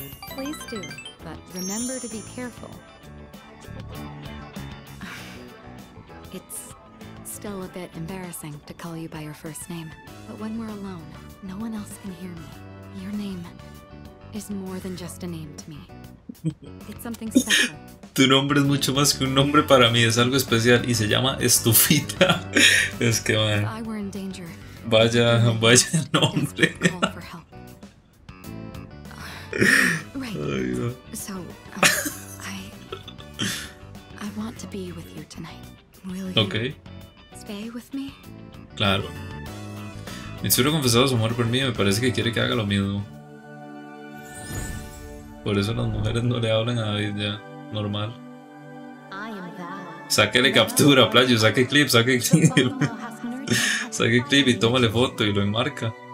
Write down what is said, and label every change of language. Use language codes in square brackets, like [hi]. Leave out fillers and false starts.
[en] Please do, but remember to be careful. It's still a bit embarrassing to call you by your first name, but when we're alone, no one else can hear me. Your name is more than just a name to me. It's something special. [es] Tu nombre es mucho más que un nombre para mí, es algo especial y se llama Estufita. Es que man. [en] If I were in danger, [es] vaya, vaya nombre. [en] Right. [es] Ay, no. [en] So, I want to be with you tonight. Will you okay. Stay with me? [es] Claro. Mitsuru ha confesado su amor por mí y me parece que quiere que haga lo mismo. Por eso las mujeres no le hablan a David ya. Normal. Sáquele captura, playo. Saque clip, saque clip. Saque clip y tómale foto y lo enmarca.